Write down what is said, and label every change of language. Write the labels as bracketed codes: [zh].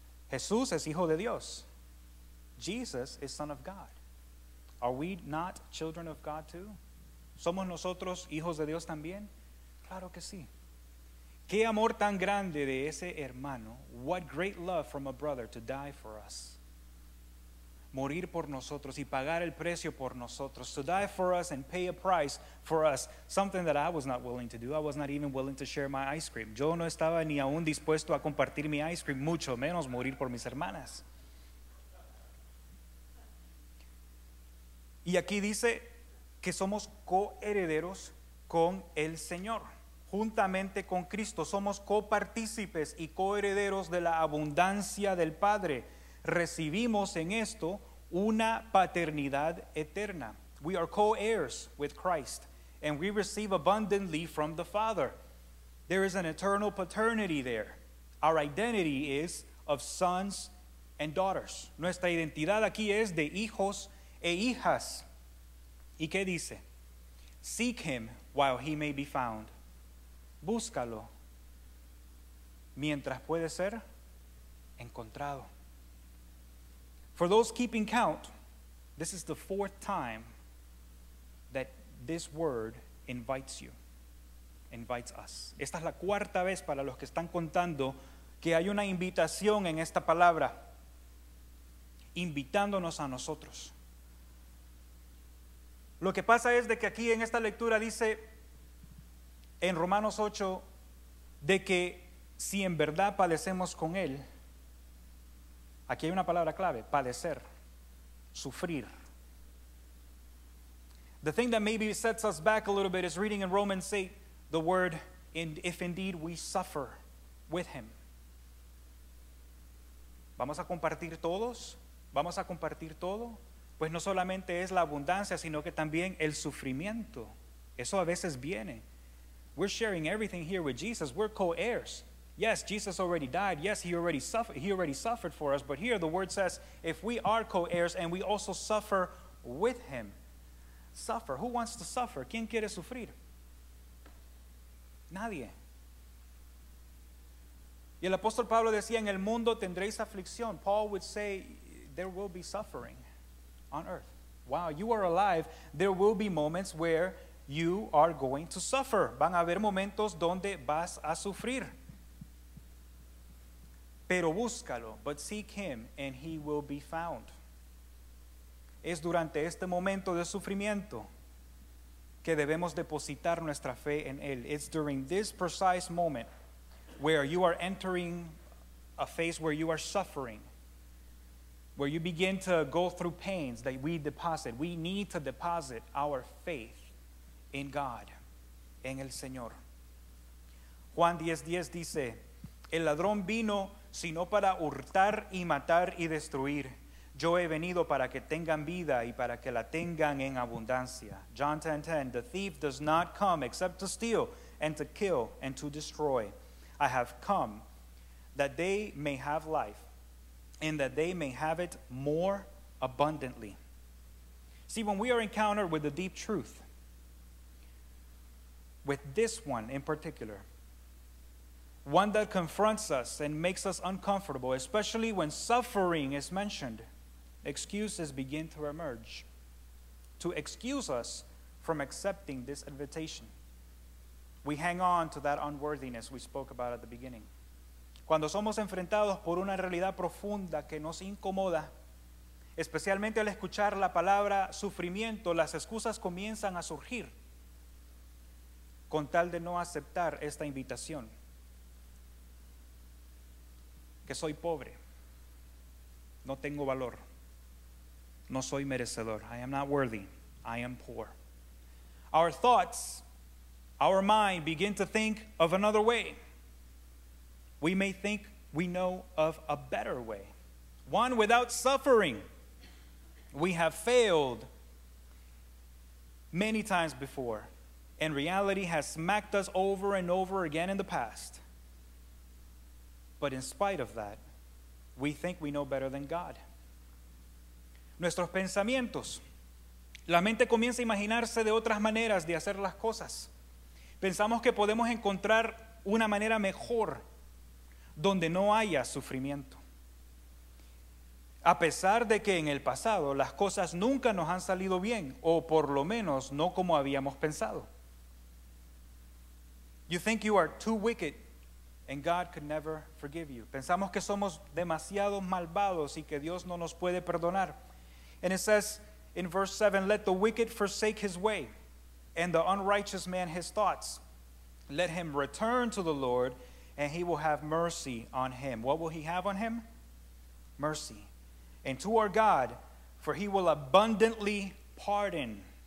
[es] Jesús es hijo de Dios. [en] Jesus is son of God. Are we not children of God too? [es] ¿Somos nosotros hijos de Dios también? Claro que sí. ¿Qué amor tan grande de ese hermano? [en] What great love from a brother to die for us. [es] Morir por nosotros y pagar el precio por nosotros. [en] To die for us and pay a price for us. Something that I was not willing to do. I was not even willing to share my ice cream. [es] Yo no estaba ni aún dispuesto a compartir mi ice cream, mucho menos morir por mis hermanas. Y aquí dice que somos coherederos con el Señor. Juntamente con Cristo somos copartícipes y coherederos de la abundancia del Padre. Recibimos en esto una paternidad eterna. [en] We are co-heirs with Christ, and we receive abundantly from the Father. There is an eternal paternity there. Our identity is of sons and daughters. [es] Nuestra identidad aquí es de hijos e hijas. ¿Y qué dice? [en] Seek him while he may be found. [es] Búscalo mientras puede ser encontrado. [en] For those keeping count, this is the fourth time that this word invites you, invites us. [es] Esta es la cuarta vez para los que están contando que hay una invitación en esta palabra, invitándonos a nosotros. Lo que pasa es de que aquí en esta lectura dice en Romanos 8 de que si en verdad padecemos con él, aquí hay una palabra clave, padecer, sufrir. [en] The thing that maybe sets us back a little bit is reading in Romans 8 the word, if indeed we suffer with him. [es] ¿Vamos a compartir todos? ¿Vamos a compartir todo? Pues no solamente es la abundancia, sino que también el sufrimiento. Eso a veces viene. [en] We're sharing everything here with Jesus. We're co-heirs. Yes, Jesus already died. Yes, he already suffered for us. But here the word says, if we are co-heirs and we also suffer with him. Suffer. Who wants to suffer? [es] ¿Quién quiere sufrir? Nadie. Y el apóstol Pablo decía, en el mundo tendréis aflicción. [en] Paul would say, there will be suffering on earth. Wow, you are alive. There will be moments where you are going to suffer. [es] Van a haber momentos donde vas a sufrir. Pero búscalo, [en] but seek him and he will be found. [es] Es durante este momento de sufrimiento que debemos depositar nuestra fe en él. [en] It's during this precise moment where you are entering a phase where you are suffering, where you begin to go through pains, that we deposit. We need to deposit our faith in God, [es] en el Señor. Juan 10:10 dice, el ladrón vino sino para hurtar y matar y destruir. Yo he venido para que tengan vida y para que la tengan en abundancia. [en] John 10:10, the thief does not come except to steal and to kill and to destroy. I have come that they may have life and that they may have it more abundantly. See, when we are encountered with the deep truth, with this one in particular, one that confronts us and makes us uncomfortable, especially when suffering is mentioned, excuses begin to emerge to excuse us from accepting this invitation. We hang on to that unworthiness we spoke about at the beginning. [es] Cuando somos enfrentados por una realidad profunda que nos incomoda, especialmente al escuchar la palabra sufrimiento, las excusas comienzan a surgir con tal de no aceptar esta invitación. Que soy pobre, no tengo valor, no soy merecedor, [en] I am not worthy, I am poor. Our thoughts, our mind begin to think of another way. We may think we know of a better way, one without suffering. We have failed many times before, and reality has smacked us over and over again in the past. But in spite of that, we think we know better than God. [es] Nuestros pensamientos. La mente comienza a imaginarse de otras maneras de hacer las cosas. Pensamos que podemos encontrar una manera mejor donde no haya sufrimiento. A pesar de que en el pasado las cosas nunca nos han salido bien, o por lo menos no como habíamos pensado. [en] You think you are too wicked and God could never forgive you. [es] Pensamos que somos demasiado malvados y que Dios no nos puede perdonar. [en] And it says in verse 7, let the wicked forsake his way and the unrighteous man his thoughts. Let him return to the Lord and he will have mercy on him. What will he have on him? Mercy. And to our God, for he will abundantly pardon.